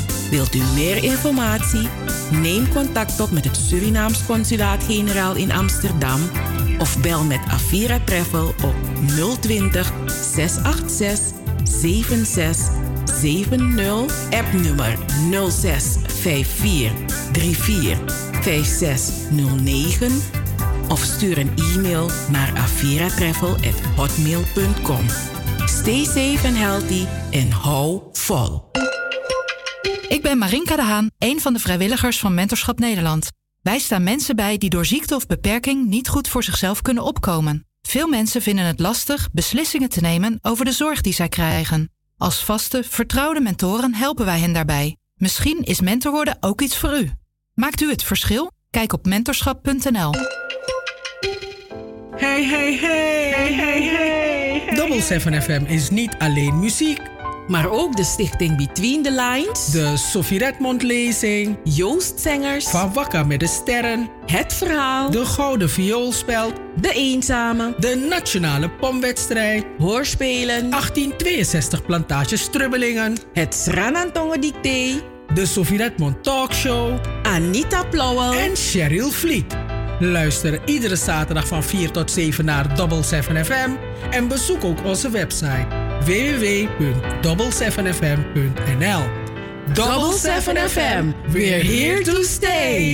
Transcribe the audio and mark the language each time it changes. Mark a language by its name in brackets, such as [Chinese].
[Dutch] Wilt u meer informatie? Neem contact op met het Surinaams Consulaat-Generaal in Amsterdam of bel met Avira Travel op 020-686-7670. Appnummer 0654-34-5609. Of stuur een e-mail naar aviratravel@hotmail.com. [English] Stay safe and healthy and [Dutch] hou vol. Ik ben Marinka de Haan, een van de vrijwilligers van Mentorschap Nederland. Wij staan mensen bij die door ziekte of beperking niet goed voor zichzelf kunnen opkomen. Veel mensen vinden het lastig beslissingen te nemen over de zorg die zij krijgen. Als vaste, vertrouwde mentoren helpen wij hen daarbij. Misschien is mentor worden ook iets voor u. Maakt u het verschil? Kijk op mentorschap.nl. Hey, hey, hey, hey, hey, hey. Double7FM is niet alleen muziek. Maar ook de stichting Between the Lines. De Sophie Redmond Lezing. Joost Zengers. Van Wakker met de Sterren. Het Verhaal. De Gouden Vioolspeld. De Eenzame. De Nationale Pomwedstrijd. Hoorspelen. 1862 Plantage Strubbelingen. Het Sranantongen Dictee. De Sophie Redmond Talkshow. Anita Plauwel. En Cheryl Vliet. Luister iedere zaterdag van 4 tot 7 naar Double7FM. En bezoek ook onze website www.double7fm.nl. [English] Double7FM, we're here to stay.